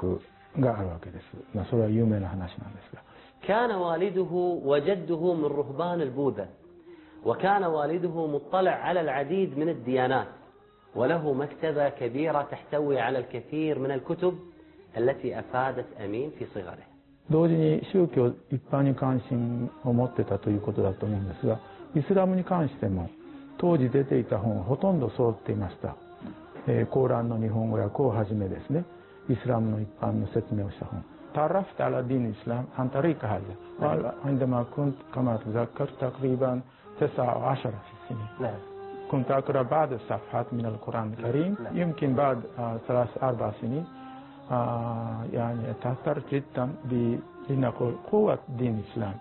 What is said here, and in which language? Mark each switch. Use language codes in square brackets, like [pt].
[ja] 生まれたのは京都という日本の古い首都なんですね。現在は東京は首都ですけど、昔は日本の首都だった京都にあって、その関係もあって京都にはたくさんの神社仏閣があるわけです。それは有名な話なんですが。 [ar] كان والده وجده من رهبان البوذا وكان والده مطلع على العديد من الديانات وله مكتبة كبيرة تحتوي على الكثير من الكتب التي أفادت أمين في صغره. [ja] 同時に宗教一般に関心を持ってたということだと思うんですが、イスラムに関しても当時出ていた本ほとんど揃っていました。コーランの日本語や、こうはじめですね、イスラムの一般の説明をした本。 [ar] تعرفت على دين الإسلام عن طريق هذا. عندما كنت كما تذكر تقريبا 9 أو 10 في السنة. نعم. كنت أقرأ بعض الصفحات من القرآن الكريم. لا. يمكن بعد 3 أو 4 سنين يعني تأثرت جدا بنقول قوة دين الإسلام.